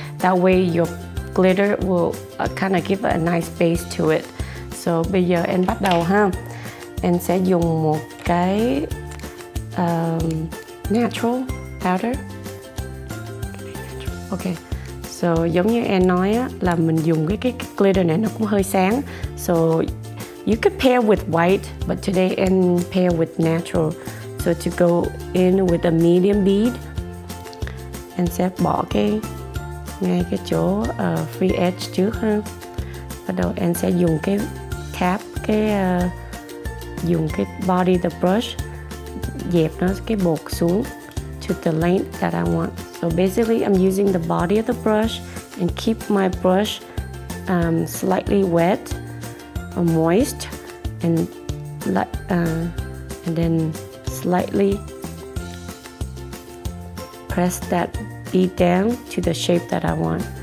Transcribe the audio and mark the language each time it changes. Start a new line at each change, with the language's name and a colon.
English: That way your glitter will kind of give a nice base to it.
Vietnamese: So bây giờ em bắt đầu ha. Em sẽ dùng một cái natural powder. Ok, so giống như em nói á, là mình dùng cái glitter này nó cũng hơi sáng.
English: So you could pair with white, but today em pair with natural. So to go in with a medium bead,
Vietnamese: em sẽ bỏ cái ngay cái chỗ free edge trước ha. bắt đầu em sẽ dùng cái cap, cái dùng cái body the brush dẹp nó cái bột xuống
English: to the length that I want. So basically I'm using the body of the brush and keep my brush slightly wet or moist and and then slightly press that bead down to the shape that I want.